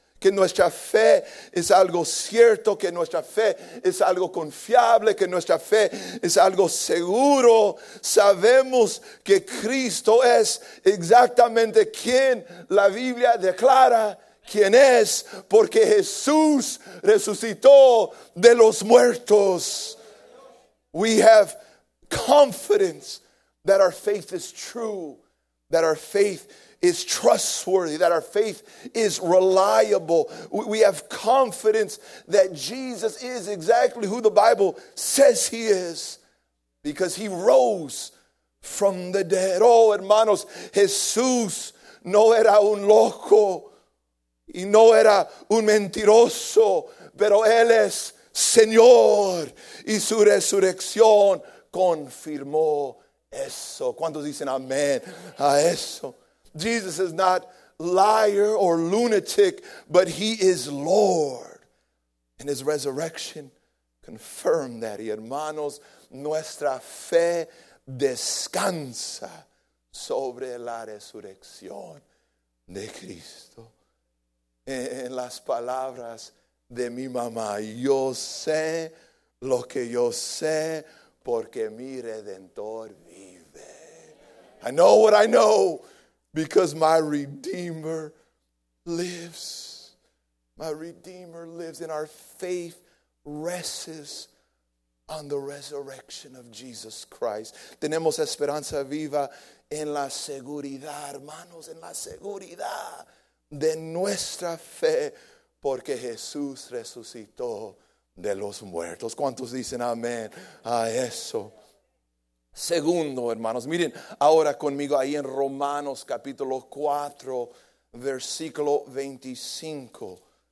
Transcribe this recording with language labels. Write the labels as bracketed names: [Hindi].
[Spanish] Que nuestra fe es algo cierto, que nuestra fe es algo confiable, que nuestra fe es algo seguro. Sabemos que Cristo es exactamente quien la Biblia declara quién es, porque Jesús resucitó de los muertos. [English] We have confidence that our faith is true, that our faith is trustworthy, that our faith is reliable. We have confidence that Jesus is exactly who the Bible says He is, because He rose from the dead. [Spanish] Oh, hermanos, Jesús no era un loco y no era un mentiroso, pero Él es Señor, y su resurrección confirmó eso. ¿Cuántos dicen amén a eso? [English] Jesus is not liar or lunatic, but He is Lord. And His resurrection confirmed that. [Spanish] Y hermanos, nuestra fe descansa sobre la resurrección de Cristo. En las palabras de mi mamá, yo sé lo que yo sé porque mi Redentor vive. [English] I know what I know because my Redeemer lives. My Redeemer lives, and our faith rests on the resurrection of Jesus Christ. [Spanish] Tenemos esperanza viva en la seguridad, hermanos, en la seguridad de nuestra fe, porque Jesús resucitó de los muertos. ¿Cuántos dicen amén a eso? Segundo, hermanos, miren ahora conmigo ahí en Romanos capítulo 4, versículo 25.